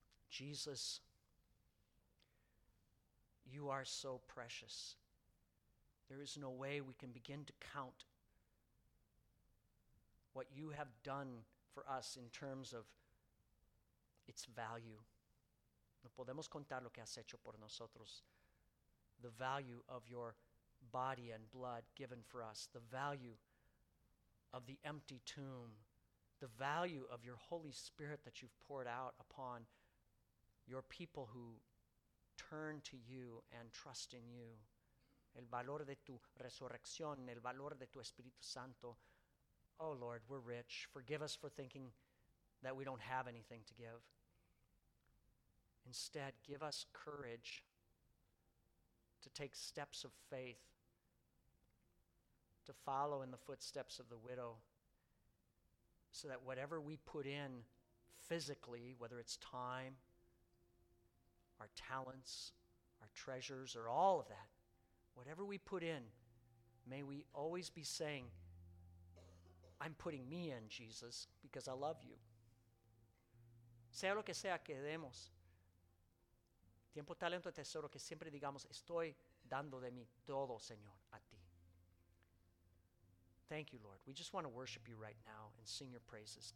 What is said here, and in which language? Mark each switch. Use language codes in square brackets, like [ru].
[en] Jesus, you are so precious. There is no way we can begin to count what you have done for us in terms of its value. [es] No podemos contar lo que has hecho por nosotros. [en] The value of your body and blood given for us. The value of the empty tomb. The value of your Holy Spirit that you've poured out upon your people who turn to you and trust in you. [es] El valor de tu resurrección, el valor de tu Espíritu Santo. [en] Oh Lord, we're rich. Forgive us for thinking that we don't have anything to give. Instead, give us courage to take steps of faith, to follow in the footsteps of the widow, so that whatever we put in physically, whether it's time, our talents, our treasures, or all of that, whatever we put in, may we always be saying, I'm putting me in, Jesus, because I love you. [es] Sea lo que sea que demos, tiempo, talento, tesoro, que siempre digamos, estoy dando de mí todo, Señor, a ti. [en] Thank you, Lord. We just want to worship you right now and sing your praises.